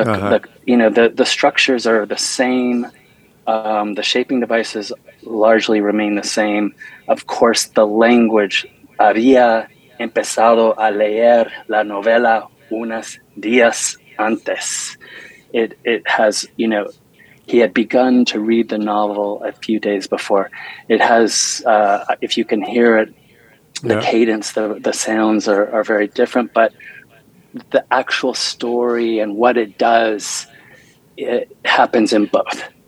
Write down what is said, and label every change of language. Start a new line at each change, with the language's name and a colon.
English: The structures are the same. The shaping devices largely remain the same. Of course, the language,
Spanish: había empezado a leer la novela unos días antes.
English: It has, you know, he had begun to read the novel a few days before. It has, if you can hear it, the cadence, the sounds are very different, but the actual story and what it does, it happens in both.